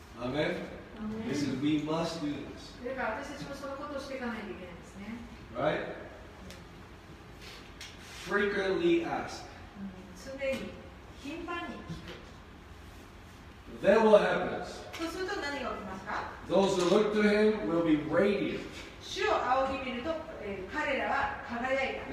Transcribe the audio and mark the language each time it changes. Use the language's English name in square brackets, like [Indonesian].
[English] Amen. This is we must do this. [Japanese] だから私たちもそのことをしていかないといけないんですね。 [English] Right? Frequently ask. [Japanese] 常に頻繁に聞く。 [English] Then what happens? [Japanese] そうすると何が起きますか? [English] Those who look to him will be radiant. [Japanese] 主を仰ぎ見ると、彼らは輝いた。